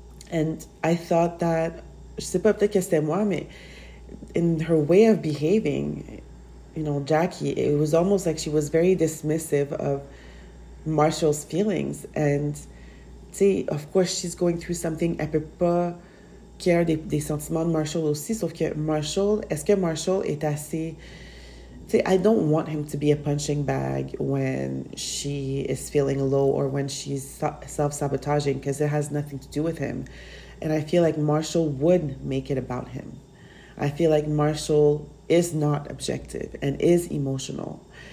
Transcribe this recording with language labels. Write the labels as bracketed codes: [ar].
[en] And I thought that, [fr] je sais pas, peut-être que c'était moi, mais [en] in her way of behaving, you know, Jackie, it was almost like she was very dismissive of Marshall's feelings. And, [fr] tu sais, [en] of course, she's going through something. [fr] Elle peut pas care des sentiments de Marshall aussi. Sauf que Marshall, est-ce que Marshall est assez... Tu sais, [en] I don't want him to be a punching bag when she is feeling low or when she's self-sabotaging, because it has nothing to do with him. And I feel like Marshall would make it about him. I feel like Marshall is not objective and is emotional.